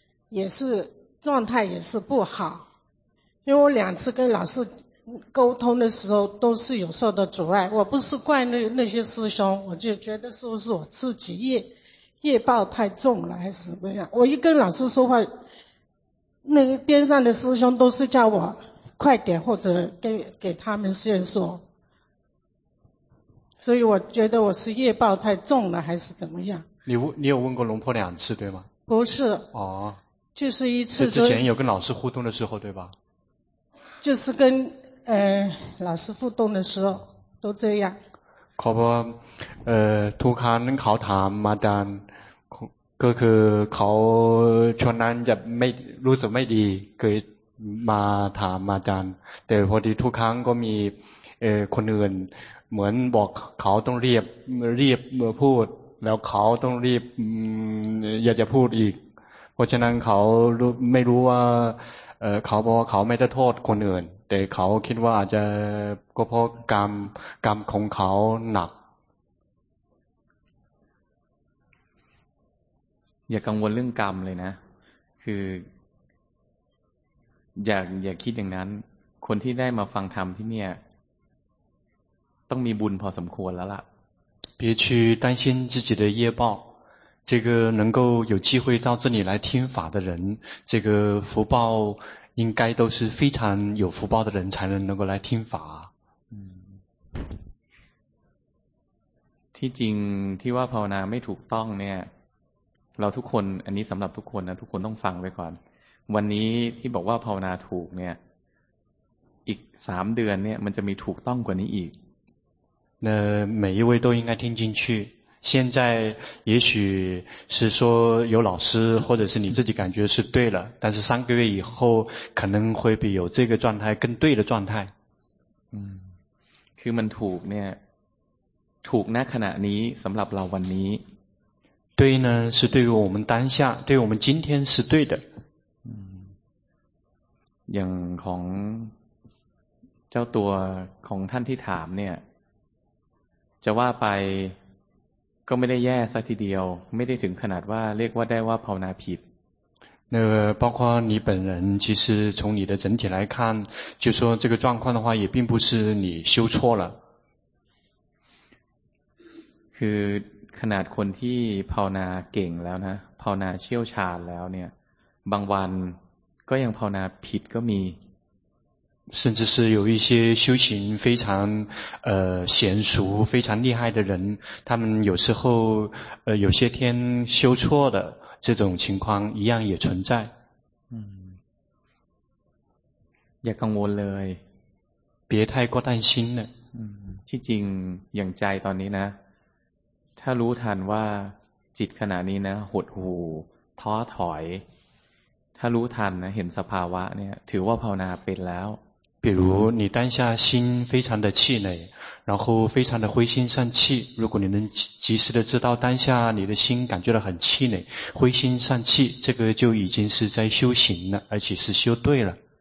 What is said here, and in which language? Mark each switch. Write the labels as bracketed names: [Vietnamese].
[Chinese] 也是状态也是不好因为我两次跟老师沟通的时候都是有受到阻碍我不是怪那些师兄我就觉得是不是我自己业报太重了还是怎么样我一跟老师说话那个边上的师兄都是叫我快点或者给他们先说所以我觉得我是业报太重了还是怎么样你有问过龙婆两次对吗不是哦就是一次之前有跟老师互动的时候对吧就是跟老师互动的时候都这样 [Thai] ขอบคุณทุกครั้งเขาถามมาดันก็คือเขาช่วงนั้นจะไม่รู้สึกไม่ดีเคยมาถามมาดันแต่พอดีทุกครั้งก็มีคนอื่นเหมือนบอกเขาต้องเรียบเมื่อพูดแล้วเขาต้องรีบ อยากจะพูดอีกเพราะฉะนั้นเขาไม่รู้ว่าเขาบอกว่าเขาไม่ได้โทษคนอื่นแต่เขาคิดว่าอาจจะก็เพราะกรรมของเขาหนัก อย่ากังวลเรื่องกรรมเลยนะคืออย่าคิดอย่างนั้นคนที่ได้มาฟังธรรมที่เนี่ย ต้องมีบุญพอสมควรแล้วล่ะ [Chinese] 别去担心自己的业报这个能够有机会到这里来听法的人这个福报应该都是非常有福报的人才能够来听法 [Thai] ที่จริงที่ว่าภาวนาไม่ถูกต้องเนี่ยเราทุกคนอันนี้สำหรับทุกคนนะทุกคนต้องฟังไว้ก่อนวันนี้ที่บอกว่าภาวนาถูกเนี่ยอีก3เดือนเนี่ยมันจะมีถูกต้องกว่านี้อีก [Chinese] 那每一位都应该听进去现在也许是说有老师或者是你自己感觉是对了但是三个月以后可能会比有这个状态更对的状态 [Thai] คือมันถูกเนี่ยถูกณขณะนี้สำหรับเราวันนี้ [Chinese] 对呢是对于我们当下对于我们今天是对的 [Thai] อย่างของเจ้าตัวของท่านที่ถามเนี่ยจะว่าไปก็ไม่ได้แย่สักทีเดียวไม่ได้ถึงขนาดว่าเรียกว่าได้ว่าภาวนาผิด [Chinese] 那包括你本人其实从你的整体来看就说这个状况的话也并不是你修错了 [Thai] คือขนาดคนที่ภาวนาเก่งแล้วนะภาวนาเชี่ยวชาญแล้วเนี่ยบางวันก็ยังภาวนาผิดก็มี [Chinese] 甚至是有一些修行非常娴熟非常厉害的人他们有时候有些天修错的这种情况一样也存在 [Thai] อย่ากังวลเลย [Chinese] 别太过担心了 [Thai] ที่จริงอย่างใจตอนนี้นะถ้ารู้ทันว่าจิตขณะนี้นะหดหู่ท้อถอยถ้ารู้ทันนะเห็นสภาวะเนี่ยถือว่าภาวนาเป็นแล้ว [Chinese] 比如你当下心非常的气馁然后非常的灰心丧气如果你能及时的知道当下你的心感觉到很气馁灰心丧气这个就已经是在修行了而且是修对了